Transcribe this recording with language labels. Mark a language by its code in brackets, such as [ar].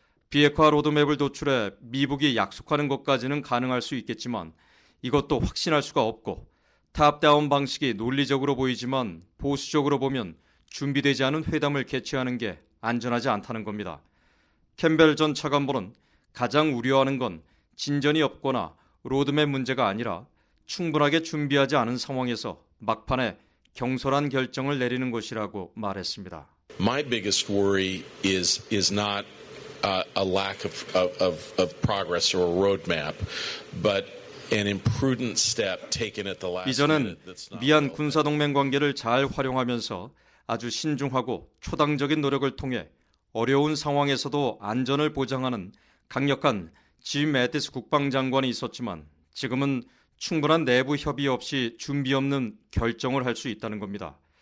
[ko] 비핵화 로드맵을 도출해 미북이 약속하는 것까지는 가능할 수 있겠지만 이것도 확신할 수가 없고 탑다운 방식이 논리적으로 보이지만 보수적으로 보면 준비되지 않은 회담을 개최하는 게 안전하지 않다는 겁니다. 캠벨 전 차관보는 가장 우려하는 건 진전이 없거나 로드맵 문제가 아니라 충분하게 준비하지 않은 상황에서 막판에 경솔한 결정을 내리는 것이라고 말했습니다. [en] My biggest worry is not a lack of progress or a roadmap, but an imprudent step taken at the last. [ko] 이전엔 미한 군사 동맹 관계를 잘 활용하면서 아주 신중하고 초당적인 노력을 통해 어려운 상황에서도 안전을 보장하는 강력한 짐 매티스 국방장관이 있었지만 지금은 충분한 내부 협의 없이 준비 없는 결정을 할 수 있다는 겁니다.